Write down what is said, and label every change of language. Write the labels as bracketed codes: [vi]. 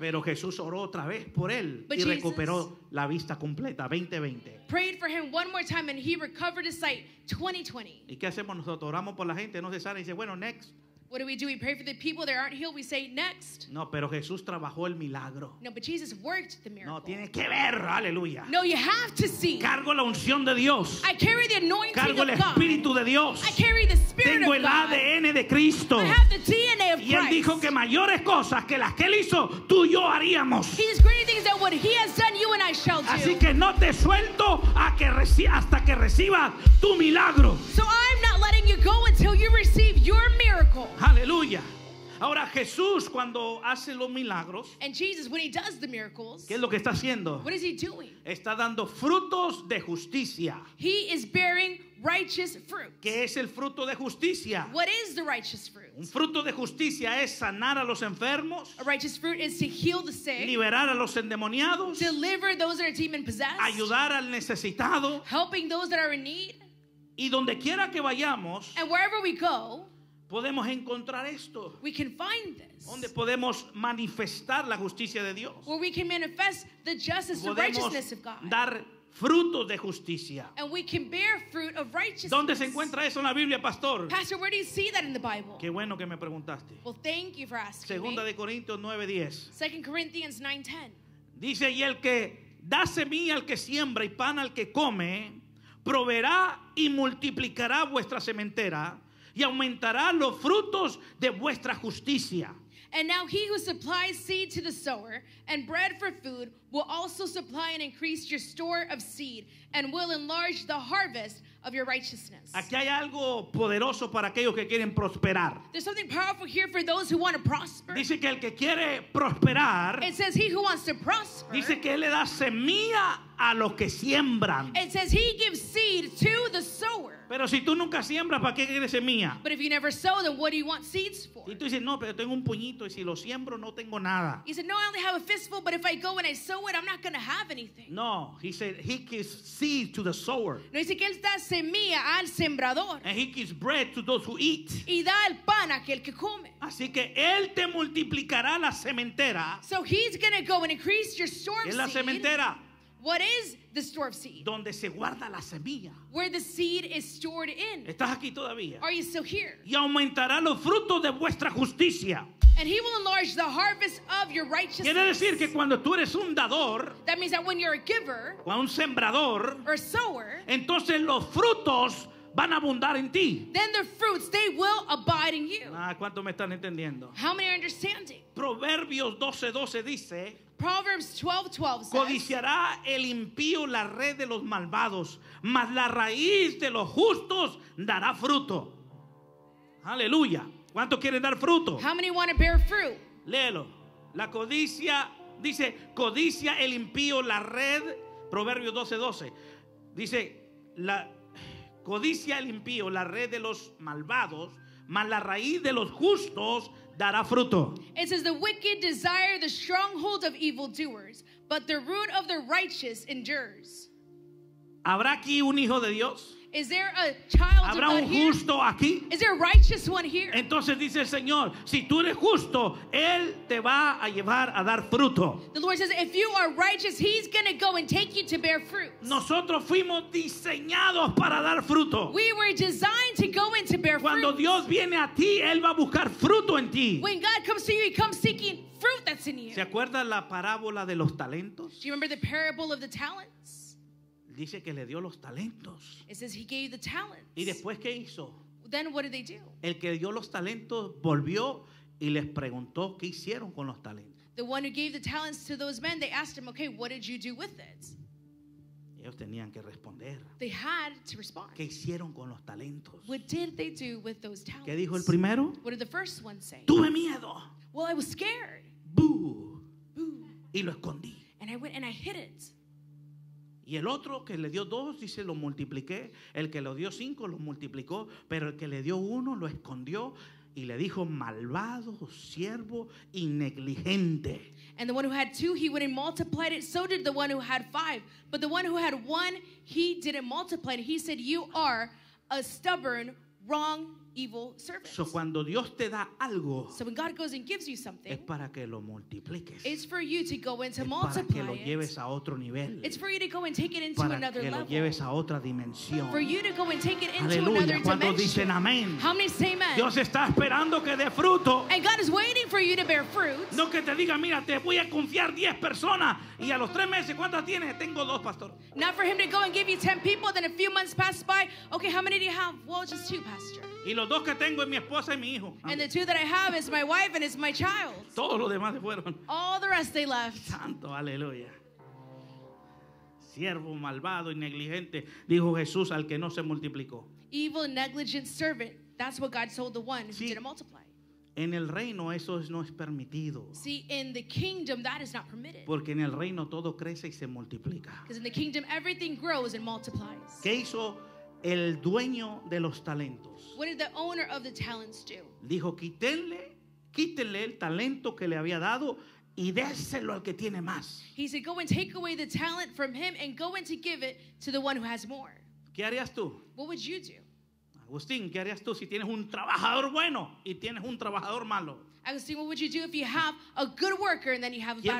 [es] Pero Jesús oró otra vez por él y recuperó la vista completa, 20/20. [en] Prayed for him one more time and he recovered his sight, 20/20. [es] ¿Y qué hacemos nosotros? Oramos por la gente, no se sana y dice, bueno, [en] next. What do? We pray for the people that aren't healed. We say, next. [es] No, pero Jesús trabajó el milagro. [en] No, but Jesus worked the miracle. [es] No, tiene que ver, aleluya. [en] No, you have to see. [es] Cargo la unción de Dios. [en] I carry the anointing of God. [es] Cargo el Espíritu de Dios. [en] I carry the Spirit [es] Tengo [en] of God. [es] Tengo el ADN de Cristo. [en] I have the DNA of Christ. [es] Y Él dijo que mayores cosas que las que Él hizo, tú y yo haríamos. [en] He is greater things than what He has done, you and I shall do. [es] Así que no te suelto hasta que recibas tu milagro. [en] So I'm not letting you go until you receive your miracle. [es] Aleluya. Ahora Jesús cuando hace los milagros, [en] and Jesus, when he does the miracles, [es] ¿qué es lo que está haciendo? [en] What is he doing? [es] Está dando frutos de justicia. [en] He is bearing righteous fruit. [es] ¿Qué es el fruto de justicia? [en] What is the righteous fruit? [es] Un fruto de justicia es sanar a los enfermos. [en] A righteous fruit is to heal the sick. [es] Liberar a los endemoniados. [en] Deliver those that are demon possessed. [es] Ayudar al necesitado. [en] Helping those that are in need. [es] Y donde quiera que vayamos, [en] and wherever we go, [es] podemos encontrar esto. [en] We can find this. [es] Donde podemos manifestar la justicia de Dios. [en] Where we can manifest the justice, [es] podemos [en] the righteousness of God. [es] Dar frutos de justicia. [en] And we can bear fruit of righteousness. [es] ¿Dónde se encuentra eso en la Biblia, pastor? [en] Pastor, where do you see that in the Bible? [es] Qué bueno que me preguntaste. [en] Well, thank you for asking. [es] Segunda de Corintios 9:10. [en] 2 Corinthians 9:10. [es] Dice, y el que da semilla al que siembra y pan al que come, proveerá y multiplicará vuestra sementera. Y aumentará los frutos de vuestra justicia. [en] And now he who supplies seed to the sower and bread for food will also supply and increase your store of seed and will enlarge the harvest of your righteousness. [es] Aquí hay algo poderoso para aquellos que quieren prosperar. [en] There's something powerful here for those who want to prosper. [es] Dice que el que quiere prosperar, [en] it says he who wants to prosper, [es] dice que él le da semilla a los que siembran. [en] It says he gives seed to the sower. [es] Pero si tú nunca siembras, ¿para qué quieres semilla? [en] But if you never sow, then what do you want seeds for? [es] Y tú dices, no, pero tengo un puñito y si lo siembro no tengo nada. [en] He said, no, I only have a fistful, but if I go and I sow it, I'm not going to have anything. No, he said he gives seed to the sower. [es] No, dice que él da semilla al sembrador. [en] And he gives bread to those who eat. [es] Y da el pan a aquel que come. Así que él te multiplicará la sementera. [en] So he's going to go and increase your store seed. [es] Es la sementera. [en] What is the store of seed? [es] Donde se guarda la semilla. [en] Where the seed is stored in. [es] ¿Estás aquí todavía? [en] Are you still here? [es] Y aumentará los frutos de vuestra justicia. [en] And he will enlarge the harvest of your righteousness. [es] Quiere decir que cuando tú eres un dador, [en] that means that when you're a giver, [es] o un sembrador, [en] or a sower, [es] entonces los frutos van a abundar en ti. [en] Then the fruits, they will abide in you. [es] Ah, ¿cuánto me están entendiendo? [en] How many are understanding? [es] Proverbios 12:12 dice, [en] Proverbs 12:12 says, [es] codiciará el impío la red de los malvados, mas la raíz de los justos dará fruto. Aleluya. ¿Cuántos quieren dar fruto? [en] How many want to bear fruit? [es] Léelo. La codicia, dice, codicia el impío la red, Proverbios 12:12. Dice, la codicia el impío la red de los malvados, mas la raíz de los justos dará fruto. [en] It says the wicked desire the stronghold of evildoers, but the root of the righteous endures. [es] ¿Habrá aquí un hijo de Dios? [en] Is there a child [es] ¿Habrá un justo [en] here? [es] Aquí? [en] Is there a righteous one here? [es] Entonces dice el Señor, si tú eres justo, él te va a llevar a dar fruto. [en] The Lord says, if you are righteous, he's going to go and take you to bear fruit. [es] Nosotros fuimos diseñados para dar fruto. [en] We were designed to go and to bear fruit. [es] Cuando [en] fruits. [es] Dios viene a ti, él va a buscar fruto en ti. [en] When God comes to you, he comes seeking fruit that's in you. [es] ¿Se acuerda la parábola de los talentos? [en] Do you remember the parable of the talents? [es] Dice que le dio los talentos. [en] It says he gave the talents. [es] ¿Y después qué hizo? [en] Then what did they do? [es] El que dio los talentos volvió y les preguntó qué hicieron con los talentos. [en] The one who gave the talents to those men, they asked him, okay, what did you do with it? [es] Ellos tenían que responder. [en] They had to respond. [es] ¿Qué hicieron con los talentos? [en] What did they do with those talents? [es] ¿Qué dijo el primero? [en] What did the first one say? [es] Tuve miedo. [en] Well, I was scared. Boo. Boo. [es] Y lo escondí. [en] And I went and I hid it. [es] Y el otro que le dio dos, dice, lo multipliqué. El que le dio cinco, lo multiplicó. Pero el que le dio uno, lo escondió. Y le dijo, malvado, siervo, y negligente. [en] And the one who had two, he went and multiplied it. So did the one who had five. But the one who had one, he didn't multiply it. He said, you are a stubborn, wrong, evil servant. So [es] cuando Dios te da algo, [en] so when God goes and gives you something, [es] es para que lo multipliques. [en] It's for you to go and to [es] es [en] multiply [es] para que lo [en] it. [es] Lleves a otro nivel. [en] It's for you to go and take it into [es] para [en] another [es] que [en] level. [es] Lo lleves a otra dimensión. [en] For you to go and take it into [es] Aleluya. [en] Another [es] cuando [en] dimension. [es] Dicen amén. [en] How many say amen? [es] Dios está esperando que dé fruto. [en] And God is waiting for you to bear fruit. [es] No que te diga, mira, te voy a confiar 10 personas y a los 3 meses, ¿cuántas tienes? Tengo 2, pastor. [en] Not for him to go and give you 10 people, then a few months pass by. Okay, how many do you have? Well, just 2, pastor. [es] Y los dos que tengo es mi esposa y mi hijo. [en] And the two that I have is my wife and is my child. [es] Todos los demás se fueron. [en] All the rest they left. [es] Santo, aleluya. Siervo malvado y negligente, dijo Jesús al que no se multiplicó. [en] Evil and negligent servant, that's what God told the one who didn't multiply. [es] En el reino eso no es permitido. [en] See, in the kingdom that is not permitted. [es] Porque en el reino todo crece y se multiplica. [en] Because in the kingdom everything grows and multiplies. [es] ¿Qué hizo el dueño de los talentos? [en] What did the owner of the talents do? [es] Dijo, quítenle el talento que le había dado y déselo al que tiene más. [en] He said, go and take away the talent from him and go and to give it to the one who has more. [es] ¿Qué harías tú? [en] What would you do? [es] Agustín, ¿qué harías tú si tienes un trabajador bueno y tienes un trabajador malo? [en] Agustín, what would you do if you have a good worker and then you have a bad worker?